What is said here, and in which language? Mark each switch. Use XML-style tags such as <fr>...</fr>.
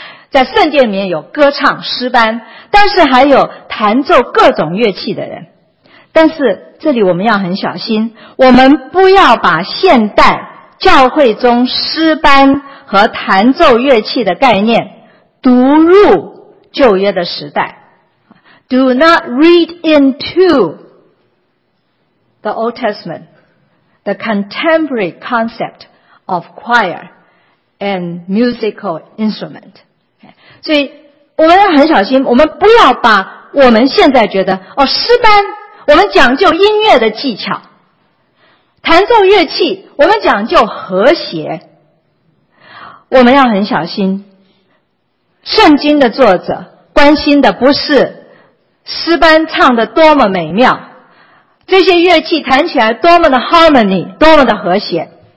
<zh>在圣殿里面有歌唱诗班，但是还有弹奏各种乐器的人。但是这里我们要很小心，我们不要把现代教会中诗班和弹奏乐器的概念读入旧约的时代。</zh> <en>Do not read into the Old Testament the contemporary concept of choir and musical instrument。</en> <zh>所以我们要很小心，我们不要把我们现在觉得哦，诗班我们讲究音乐的技巧，弹奏乐器我们讲究和谐。我们要很小心，圣经的作者关心的不是诗班唱得多么美妙，这些乐器弹起来多么的 harmony， 多么的和谐。</zh>